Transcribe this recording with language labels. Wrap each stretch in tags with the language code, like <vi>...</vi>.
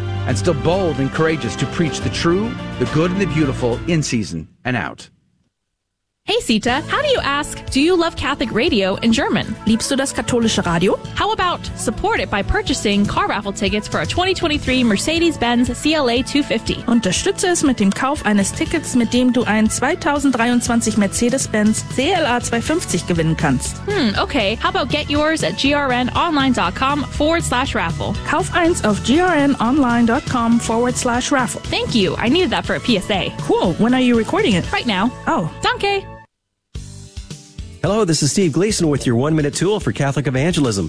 <en>and still bold and courageous to preach the true, the good, and the beautiful in season and out. Hey Sita, how do you ask, do you love Catholic radio in German?</en> <de>Liebst du das katholische Radio?</de> <en>How about support it by purchasing car raffle tickets for a 2023 Mercedes-Benz CLA 250.</en> <de>Unterstütze es mit dem Kauf eines Tickets, mit dem du ein 2023 Mercedes-Benz CLA 250 gewinnen kannst.</de> <en>Okay. How about get yours at grnonline.com/raffle?</en> <de>Kauf eins auf grnonline.com/raffle.</de> <en>Thank you. I needed that for a PSA. Cool. When are you recording it? Right now. Oh.</en> <de>Danke.</de> <en>Hello, this is Steve Gleason with your one-minute tool for Catholic evangelism.</en>